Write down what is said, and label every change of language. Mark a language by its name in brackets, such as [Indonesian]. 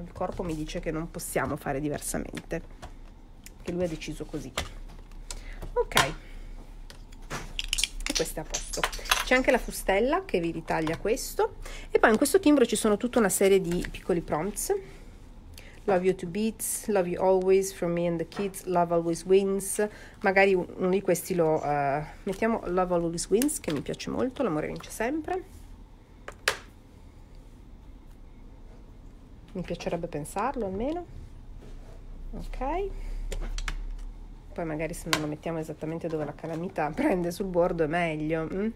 [Italian] Il corpo mi dice che non possiamo fare diversamente. Che lui ha deciso così. Ok. E questo è a posto. C'è anche la fustella che vi ritaglia questo. E poi in questo timbro ci sono tutta una serie di piccoli prompts. [English] Love you to beats, love you always, for me and the kids, love always wins. [Italian] Magari uno di questi lo mettiamo, [English] love always wins, [Italian] che mi piace molto, l'amore vince sempre. Mi piacerebbe pensarlo almeno. Ok. Poi magari se non lo mettiamo esattamente dove la calamita prende sul bordo è meglio.